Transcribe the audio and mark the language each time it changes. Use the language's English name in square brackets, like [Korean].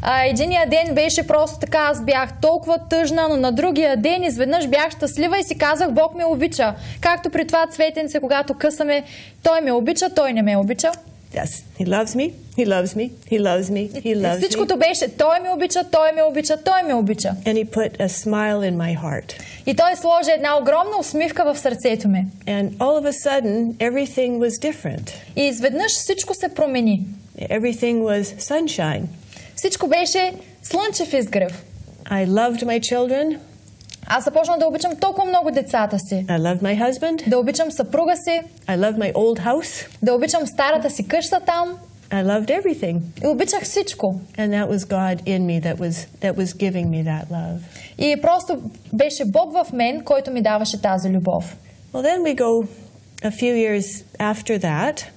[Bulgarian] Единия ден беше просто така, аз бях толкова тъжна, но на другия ден изведнъж бях щастлива и си казах, Бог ме обича. Както при това цветенце, когато късаме, той ме обича, той не ме обича. [English] Yes, he loves me, he loves me, he loves me, he loves me. [Bulgarian] Всичкото беше, той ме обича, той ме обича, той ме обича. [English] And he put a smile in my heart. [Bulgarian] И той сложи една огромна усмивка в сърцето ми. [English] And all of a sudden, everything was different. [Bulgarian] И изведнъж всичко се промени. [English] Everything was sunshine. [Bulgarian] Всичко беше слънчев изгрев. [English] I loved my children. [Bulgarian] Аз започна да обичам толкова много децата си. [English] I love my husband. [Bulgarian] Да обичам съпруга си. [English] I love my old house. [Bulgarian] Да обичам старата си къща там. [English] I loved everything. [Bulgarian] И обичах всичко. [English] And that was God in me that was giving me that love. [Bulgarian] И просто беше Бог в мен, който ми даваше тази любов. [English] Well, then we go a few years after that.